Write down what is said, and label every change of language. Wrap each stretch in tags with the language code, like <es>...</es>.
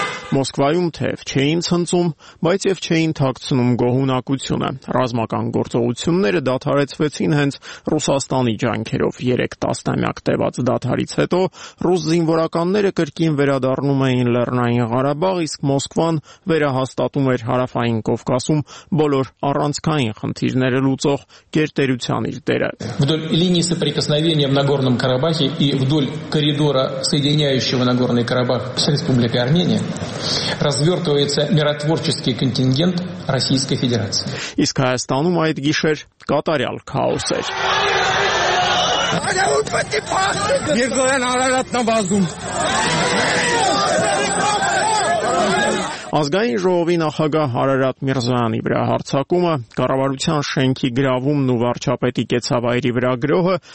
<hy>Մոսկվայում թեև չէին ցնցում, բայց և չէին թաքցնում գոհունակությունը։ Ռազմական գործողությունները դադարեցվեցին հենց Ռուսաստանի ջանքերով։ 3 տասնամյակ տևած դադարից հետո ռուս զինվորականները կրկին վերադառնում էին Լեռնային Ղարաբաղ, իսկ Մոսկվան վերահաստատում էր Հարավային Կովկասում բոլոր առանցքային խնդիրները լուծող գերտերության իր դերը։</hy> <ru>Вдоль линии соприкосновения в Нагорном Карабахе и вдоль коридора, соединяющего Нагорный Карабах с Республикой Армения, развертывается миротворческий контингент Российской Федерации.</ru> <hy>Իսկ Հայաստանում այդ գիշեր կատարյալ քաոս էր։ Ազգային ժողովի նախագահ Արարատ Միրզոյանի վրա հարձակումը, կառավարության շենքի գրավումն ու վարչապետի կեցավայրի վրա գրոհը</hy>